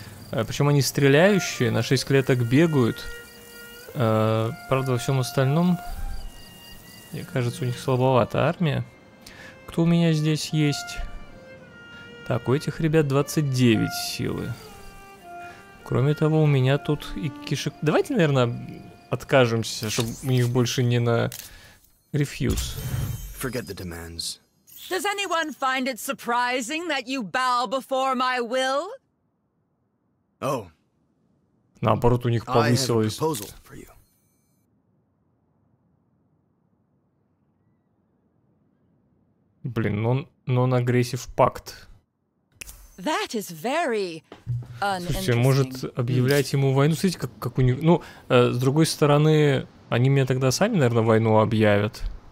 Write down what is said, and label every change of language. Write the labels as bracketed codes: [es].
[ru] Причем они стреляющие, на 6 клеток бегают. Правда, во всем остальном, мне кажется, у них слабовата армия. Кто у меня здесь есть? Так, у этих ребят 29 силы. Кроме того, у меня тут и кишек... Давайте, наверное, откажемся, чтобы у них больше не на... [en] Refuse. Forget the demands. Does anyone find it surprising that you bow before my will? Oh. [ru] Наоборот, у них повысилось. Блин, [en] non-aggressive pact. That is very uninteresting. [ru] Слушайте, может объявлять ему войну? Смотрите, как у них... Ну, с другой стороны, они мне тогда сами, наверное, войну объявят.